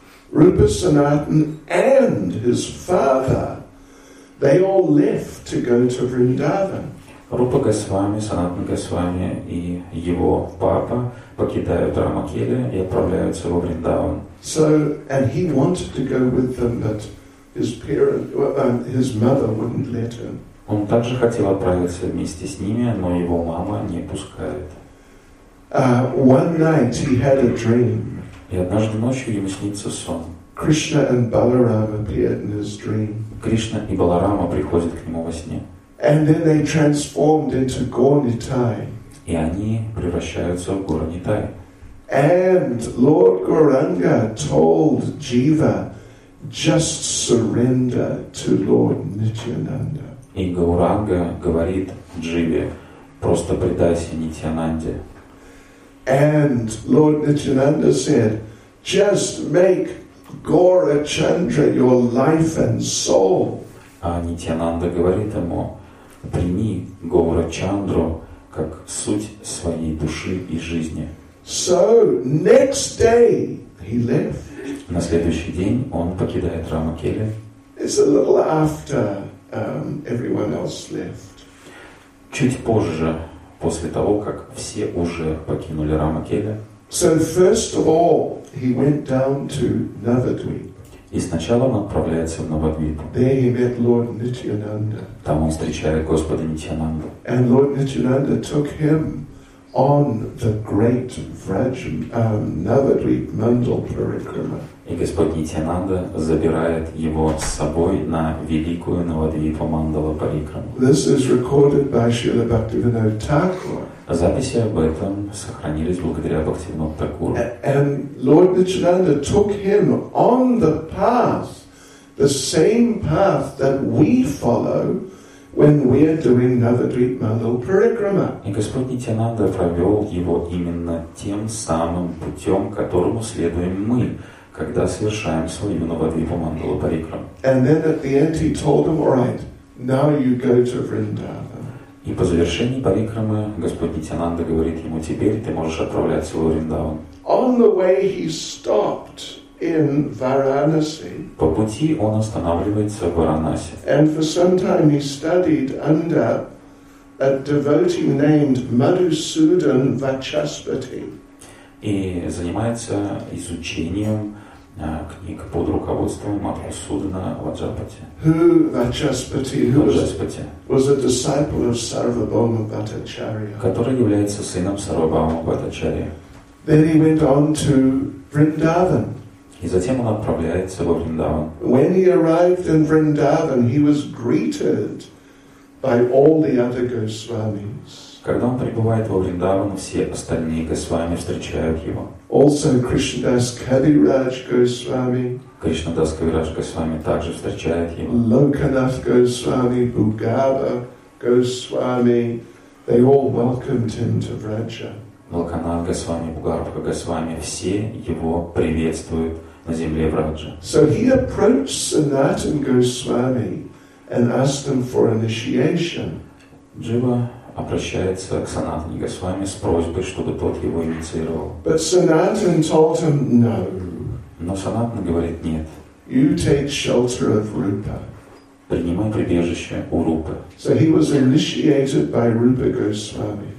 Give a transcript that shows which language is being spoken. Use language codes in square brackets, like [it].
[en] Rupa Sanatan and his father, they all left to go to Vrindavan. [ru] Rupa Goswami, Sanatan Goswami и его папа покидают Рамакели и отправляются во Вриндаван. [en] So, and he wanted to go with them, but his mother wouldn't let him. [ru] Он также хотел отправиться вместе с ними, но его мама не пускает. [en] One night he had a dream. [ru] И однажды ночью ему снится сон. [en] Krishna and Balarama appeared in his dream. [ru] Кришна и Баларама приходят к нему во сне. [en] And then they transformed into Gaur-Nitai. [ru] И они превращаются в Гаур-Нитай. [en] And Lord Gauranga told Jiva, just surrender to Lord Nityananda. [ru] И Гауранга говорит Дживе, просто предайся Нитьянанде. [en] And Lord Nityananda said, just make Gaurachandra your life and soul. [ru] А Нитьянанда говорит ему, прими Гаурачандру как суть своей души и жизни. [en] So, next day he left. [ru] На следующий день он покидает Рамакели. [en] It's a little after everyone else left. [ru] Чуть позже, после того, как все уже покинули Рамакели. [en] So, first of all, he went down to Navadvip. [ru] И сначала он отправляется в Навадвип. [en] There he met Lord Nityananda. [ru] Там он встречает Господа Нитьянанду. [en] And Lord Nityananda took him on the great Navadvip Mandal Parikrama. [ru] И Господь Нитьянанда забирает его с собой на великую Навадвипа Мандала Парикраму. [en] This is recorded by Śrīla Bhaktivinoda Thakura. [ru] Записи об этом сохранились благодаря Бхактивинода Такуру. [en] And Lord Nityananda took him on the path, the same path that we follow when we are doing Navadvip Mandal Parikrama. [ru] И Господь Нитьянанда провел его именно тем самым путем, которому следуем мы, когда совершаем свою Навадвипа Мандала Парикрама. [en] And then at the end he told him, all right, now you go to Vrindavan. [ru] И по завершении парикрамы Господь Нитьянанда говорит ему, теперь ты можешь отправляться в Вриндаван. [en] On the way he stopped in Varanasi. [ru] По пути он останавливается в Варанаси. [en] And for some time he studied under a devotee named Madhusudan Vachaspati. [ru] И занимается изучением книг под руководством Мадхусудана Ваджапати. [en] Who Vachaspati? Who Vachaspati? Was a disciple of Sarvabhauma Bhattacharya. [ru] Который является сыном Сарвабхаума Бхаттачарьи. [en] Then he went on to Vrindavan. [ru] И затем он отправляется во Вриндаван. [en] When he arrived in Vrindavan, he was greeted by all the other Goswamis. [ru] Когда он прибывает во Вриндаван, все остальные Госвами встречают его. [en] Also Krishnadas Kaviraj Goswami. [ru] Кришнадас Кавирадж Госвами также встречает его. [en] Lokanath Goswami, Bhugava Goswami, they all welcomed him to Vraja. [ru] Lokanath Goswami, Bhugava Goswami, все его приветствуют на земле Враджа. [en] So he approached Sanatan Goswami and asked him for initiation. [ru] Джива обращается к Санатане Госвами с просьбой, чтобы тот его инициировал. [en] But Sanatan told him no. [ru] Но Санатана говорит нет. [en] You take shelter of Rupa. [ru] Принимай прибежище у Рупы. [en] So he was initiated by Rupa Goswami.